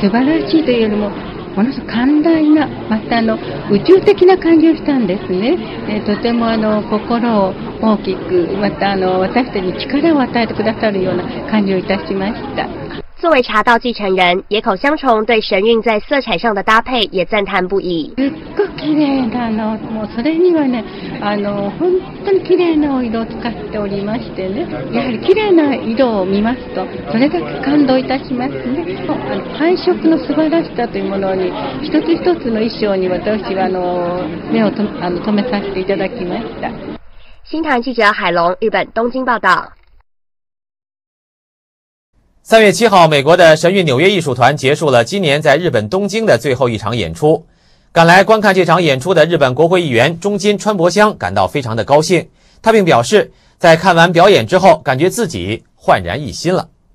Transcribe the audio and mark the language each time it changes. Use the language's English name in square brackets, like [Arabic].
[Japanese] 素晴らしいというよりもものすごく寛大な、また宇宙的な感じをしたんですね。とても心を大きく、また私たちに力を与えてくださるような感じをいたしました。 [Chinese] 作为茶道继承人，野口香重对神韵在色彩上的搭配也赞叹不已。 [Japanese] すっごく綺麗なの、もうそれにはね、本当に綺麗なお色を使っておりましてね、やはり綺麗な色を見ますと、それだけ感動いたしますね。配色の素晴らしさというものに、一つ一つの衣装に私は目を止めさせていただきました。 [Chinese] 新唐记者海龙，日本东京报道。 3月7号，美国的神韵纽约艺术团结束了今年在日本东京的最后一场演出。赶来观看这场演出的日本国会议员中间川博香感到非常的高兴，他并表示，在看完表演之后，感觉自己焕然一新了。